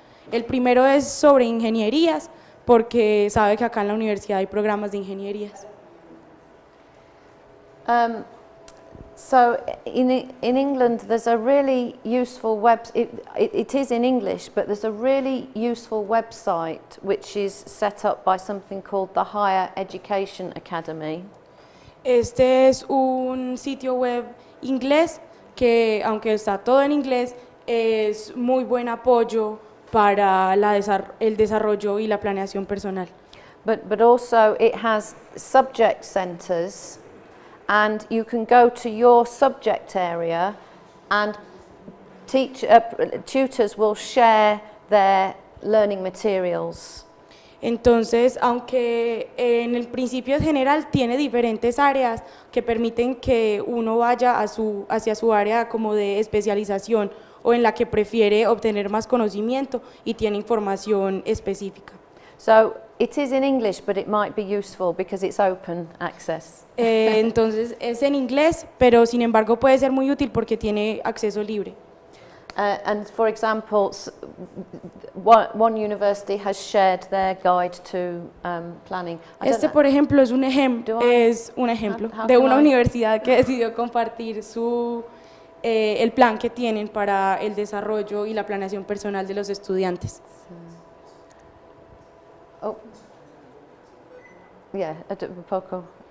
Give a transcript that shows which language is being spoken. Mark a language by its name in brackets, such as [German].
[Spanish] El primero es sobre ingenierías, porque sabe que acá en la universidad hay programas de ingenierías. [English] So in England there's a really useful it is in English, but there's a really useful website which is set up by something called the Higher Education Academy. [Spanish] Este es un sitio web inglés que, aunque está todo en inglés, es muy buen apoyo para el desarrollo y la planeación personal. [English] But also it has subject centers. And you can go to your subject area, and tutors will share their learning materials. [Spanish] Entonces, aunque en el principio general tiene diferentes áreas que permiten que uno vaya hacia su área como de especialización o en la que prefiere obtener más conocimiento y tiene información específica. [English] So it is in English, but it might be useful because it's open access. [Spanish] Entonces es en inglés, pero sin embargo puede ser muy útil porque tiene acceso libre. [English] And for example, one university has shared their guide to planning. [Spanish] Este, por ejemplo, es un ejemplo de una universidad que decidió compartir el plan que tienen para el desarrollo y la planeación personal de los estudiantes. Oh, yeah, a poco.